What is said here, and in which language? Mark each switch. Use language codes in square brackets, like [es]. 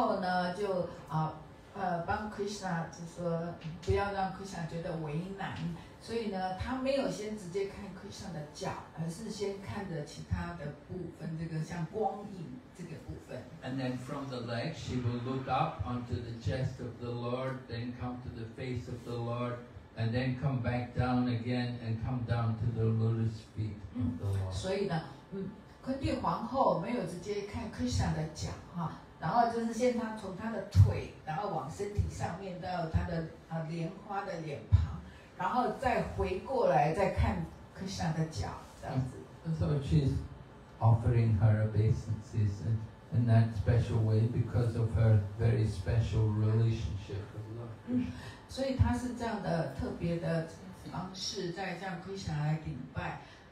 [zh] 所以呢，昆蒂皇后呢，就帮 Krishna 就说不要让 Krishna 觉得为难，所以呢，她没有先直接看 Krishna 的脚，而是先看着其他的部分，这个像光影这个部分。 [en] And then from the legs, she will look up onto the chest of the Lord, then come to the face of the Lord, and then come back down again and come down to the lotus feet of the Lord. [zh] 昆蒂皇后没有直接看 Krishna 的脚，然后就是先她从她的腿，然后往身体上面到她的莲花的脸庞，然后再回过来再看 Krishna 的脚，这样子。 [en] So she's offering her obeisances in that special way because of her very special relationship with Lord Krishna. [zh] 所以她是这样的特别的方式在向 Krishna 来顶拜。